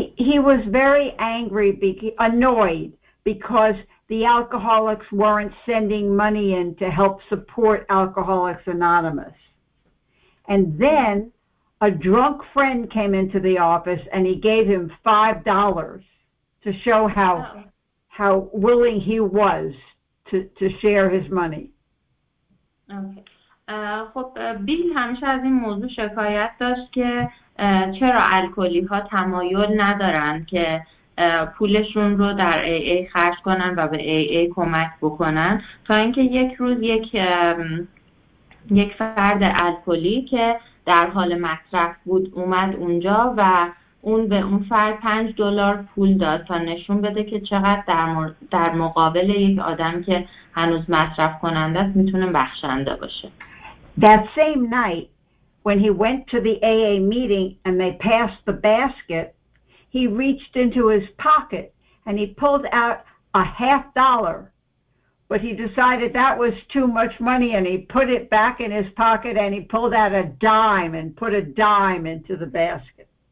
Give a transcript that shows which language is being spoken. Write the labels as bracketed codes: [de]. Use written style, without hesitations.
[en] He was very angry, annoyed, because the alcoholics weren't sending money in to help support Alcoholics Anonymous. And then a drunk friend came into the office and he gave him $5 to show how willing he was to share his money. Okay. [fa] خب بیل همیشه از این موضوع شکایت داشت که چرا الکلی ها تمایل ندارن که پولشون رو در AA خرج کنن و به AA کمک بکنن تا اینکه یک روز یک یک فرد الکلی که در حال مصرف بود اومد اونجا و اون به اون فرد $5 پول داد تا نشون بده که چقدر در مقابل یک آدم که هنوز مصرف کننده است میتونه بخشنده باشه. [en] That same night when he went to the AA meeting and they passed the basket, he reached into his pocket and he pulled out $0.50. But he decided that was too much money and he put it back in his pocket and he pulled out a dime and put a dime into the basket.